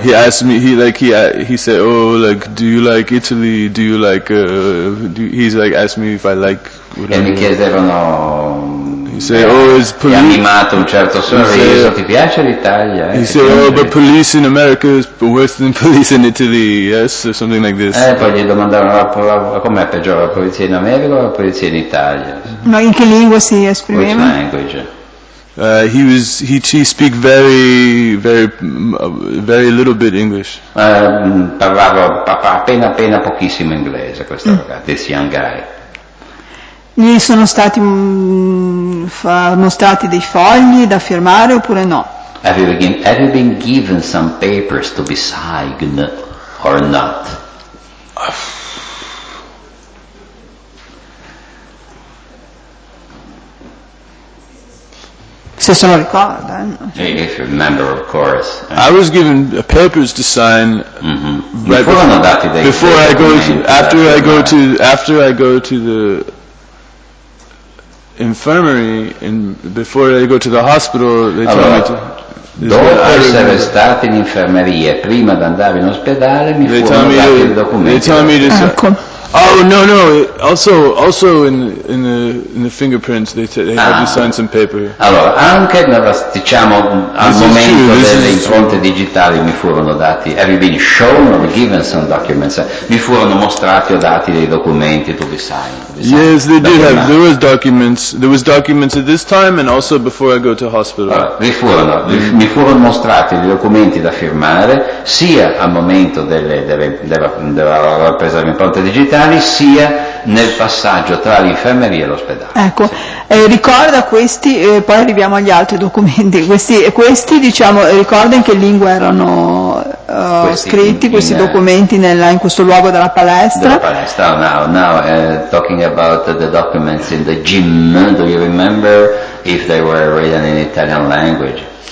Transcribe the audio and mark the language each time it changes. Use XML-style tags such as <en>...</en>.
<en>He asked me, he said, oh, like, do you like Italy? Do you like? He's like asked me if I like. Whatever.</en> <it>E mi chiedevano.</it> <en>He said, oh, is police.</en> <it>Mi ha animato un certo sorriso.</it> <en>Said,</en> <it>ti piace l'Italia?</it> <en>He said, oh, but police in America is worse than police in Italy, yes, or something like this.</en> <it>Poi gli domandavano com'è peggiore, la polizia in America o la polizia in Italia? Ma in che lingua si esprimeva?</it> <en>Which language? He speak very, very, very little bit English.</en> <it>Parlava appena pochissimo inglese questo ragazzo,</it> <en>this young guy.</en> <it>Gli sono stati mostrati dei fogli da firmare oppure no?</it> <en>Have you been given some papers to be signed or not?</en> <it>Se sono ricorda.</it> <en>If you remember, of course. I was given papers to sign before I go to the infirmary, and before I go to the hospital, they</en> <it>allora,</it> <en>tell me to.</en> <it>Dopo essere stato in infermeria, prima di andare in ospedale, mi furono dati il documento.</it> <en>Oh no no! Also in the fingerprints they have you sign some paper.</en> <it>Allora anche nella, diciamo, al this momento delle impronte digitali mi furono dati.</it> <en>Have you been shown or given some documents?</en> <it>Mi furono mostrati o dati dei documenti</it> <en>to be signed. Yes, they did have. There was documents. There was documents at this time and also before I go to hospital.</en> <it>Allora, mi furono mostrati dei documenti da firmare sia al momento della presa di impronte digitali, sia nel passaggio tra l'infermeria e l'ospedale. Ecco, ricorda questi, poi arriviamo agli altri documenti. Questi diciamo, ricorda in che lingua erano scritti questi documenti in questo luogo della palestra?</it> <en>Talking about the documents in the gym, do you remember if they were written in Italian language?</en>